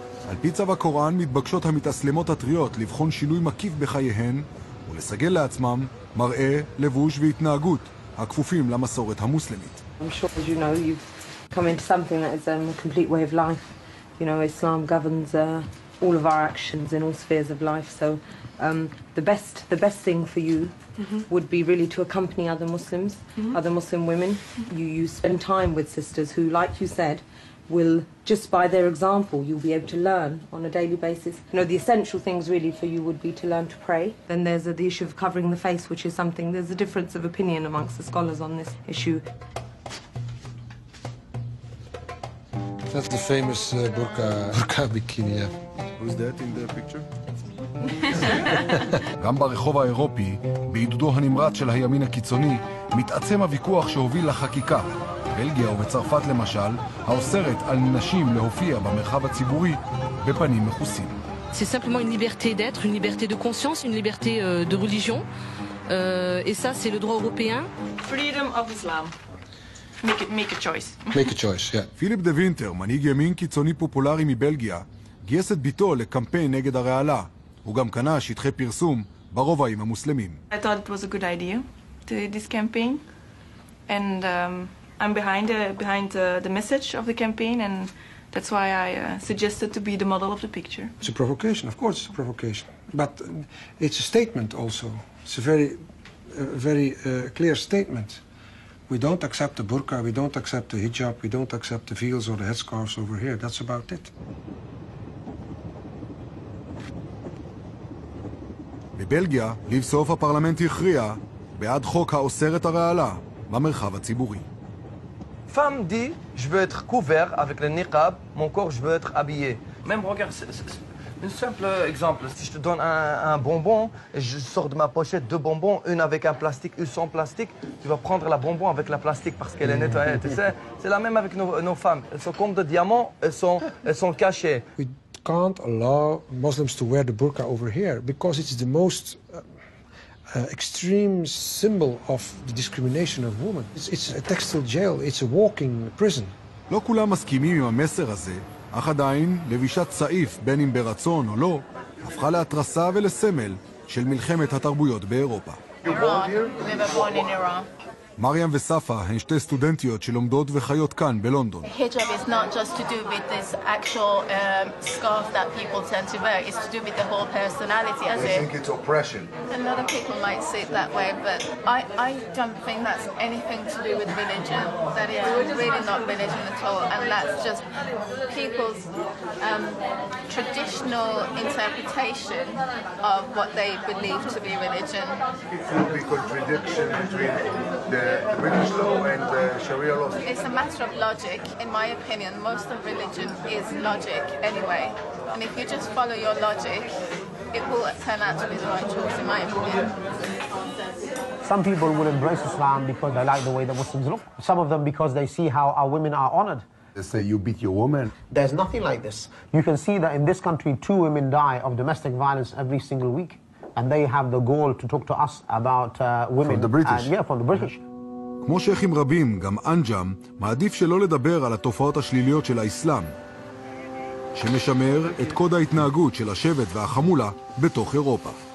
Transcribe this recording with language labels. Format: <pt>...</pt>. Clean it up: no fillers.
<he>על פי צו הקוראן מתבקשות המתאסלמות הטריות לבחון שינוי מקיף בחייהן ולסגל לעצמם מראה, לבוש והתנהגות הכפופים למסורת המוסלמית.</he> <en>I'm sure, as you know, you've come into something that is a complete way of life. You know, Islam governs all of our actions in all spheres of life, so the best thing for you mm-hmm. would be really to accompany other Muslims, mm-hmm. other Muslim women. Mm-hmm. You spend time with sisters who, like you said, will, just by their example, you'll be able to learn on a daily basis. You know, the essential things really for you would be to learn to pray. Then there's the issue of covering the face, which is something, there's a difference of opinion amongst the scholars on this issue. That's the famous burqa bikini, yeah. Who's that in the picture?</en> <he>גם ברחוב האירופי, בעידודו הנמרץ של הימין הקיצוני, מתעצם הוויכוח שהוביל לחקיקה. בלגיה ובצרפת למשל, האוסרת על נשים להופיע במרחב הציבורי בפנים מכוסים.</he> <fr>C'est simplement une liberté d'être, une liberté de conscience, une liberté de religion. Et ça, c'est le droit européen.</fr> <en>Freedom of Islam. Make a choice, yeah.</en> <he>פיליפ דה וינטר, מנהיג ימין קיצוני פופולרי מבלגיה, גייס את ביתו לקמפיין נגד הרעלה. הוא גם קנה שטחי פרסום ברובעים המוסלמים.</he> <en>I thought it was a good idea to this campaign. And I'm behind the message of the campaign, and that's why I suggested to be the model of the picture. It's a provocation, of course it's a provocation. But it's a statement also. It's a very clear statement. We don't accept the burqa, we don't accept the hijab, we don't accept the veils or the headscarves over here. That's about it.</en> <he>בבלגיה, לבסוף הפרלמנט הכריע בעד חוק האוסר את הרעלה במרחב הציבורי.</he> <fr>Femme dit, je veux être couvert avec le niqab, mon corps je veux être habillé. Même regarde, un simple exemple, si je te donne un bonbon, je sors de ma pochette deux bonbons, une avec un plastique, une sans plastique, tu vas prendre la bonbon avec la plastique parce qu'elle est nettoyée, tu sais. C'est la même avec nos femmes, elles sont comme des diamants, elles sont cachées.</fr> <en>We can't allow Muslims to wear the burqa over here because it's the most extreme symbol of the discrimination of women. It's a textile jail, it's a walking prison.</en> <he>לא כולם מסכימים עם המסר הזה, אך עדיין, לבישת סעיף, בין אם ברצון או לא, הפכה להתרסה ולסמל של מלחמת התרבויות באירופה. מריאם וספה הן שתי סטודנטיות שלומדות וחיות כאן בלונדון.</he> <en>Hijab is not just to do with this actual scarf that people tend to wear, it's to do with the whole personality, as it? I think it's oppression. A lot of people might see it that way, but I don't think that's anything to do with religion. That is really not religion at all, and that's just people's traditional interpretation of what they believe to be religion. It would be contradiction between the British law and the Sharia law. It's a matter of logic. In my opinion, most of religion is logic anyway. And if you just follow your logic, it will turn out to be the right choice, in my opinion. Some people will embrace Islam because they like the way the Muslims look. Some of them because they see how our women are honored. They say you beat your woman. There's nothing like this. You can see that in this country, two women die of domestic violence every single week. And they have the goal to talk to us about women. From the British? From the British.</en> <he>כמו שייכים רבים, גם אנג'אם מעדיף שלא לדבר על התופעות השליליות של האסלאם, שמשמר את קוד ההתנהגות של השבט והחמולה בתוך אירופה.</he>